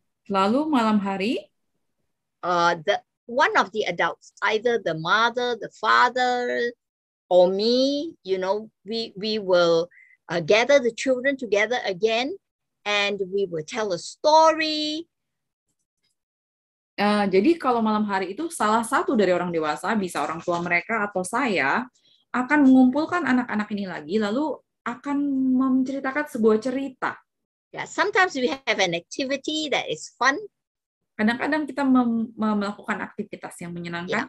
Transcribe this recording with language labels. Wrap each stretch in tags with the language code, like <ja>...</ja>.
<id>lalu malam hari,</id> <en>one of the adults, either the mother, the father, or me, you know, we will gather the children together again, and we will tell a story.</en> <id>Jadi kalau malam hari itu salah satu dari orang dewasa, bisa orang tua mereka atau saya, akan mengumpulkan anak-anak ini lagi, lalu akan menceritakan sebuah cerita.</id> <en>Yeah, sometimes we have an activity that is fun.</en> <id>Kadang-kadang kita melakukan aktivitas yang menyenangkan.</id>